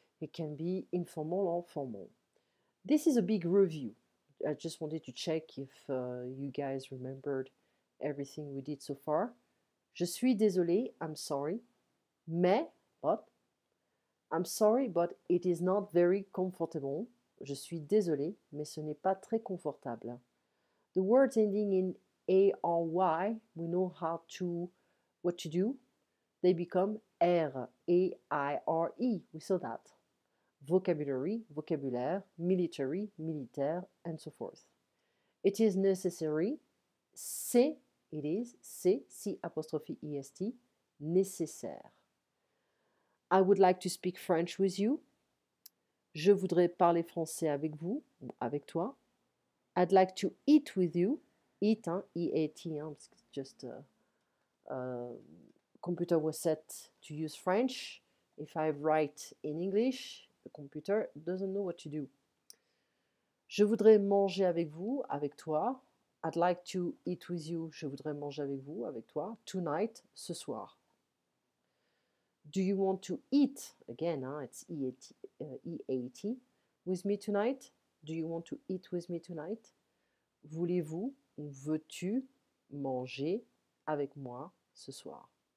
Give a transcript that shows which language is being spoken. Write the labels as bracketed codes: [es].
[en] It can be informal or formal. This is a big review. I just wanted to check if you guys remembered everything we did so far. [fr] Je suis désolé, [en] I'm sorry. [fr] Mais, [en] but. I'm sorry, but it is not very comfortable. [fr] Je suis désolé, mais ce n'est pas très confortable. [en] The words ending in A-R-Y, we know how to, what to do. They become R, A-I-R-E, we saw that. Vocabulary, vocabulaire, military, militaire, and so forth. It is necessary, [fr] c'est nécessaire. [en] I would like to speak French with you. [fr] Je voudrais parler français avec vous, avec toi. [en] I'd like to eat with you. Eat, hein, E-A-T, hein, just a computer was set to use French. If I write in English, the computer doesn't know what to do. [fr] Je voudrais manger avec vous, avec toi. [en] I'd like to eat with you. [fr] Je voudrais manger avec vous, avec toi. [en] Tonight, [fr] ce soir. [en] Do you want to eat? Again, hein, it's E-A-T. With me tonight? Do you want to eat with me tonight? [fr] Voulez-vous ou veux-tu manger avec moi ce soir?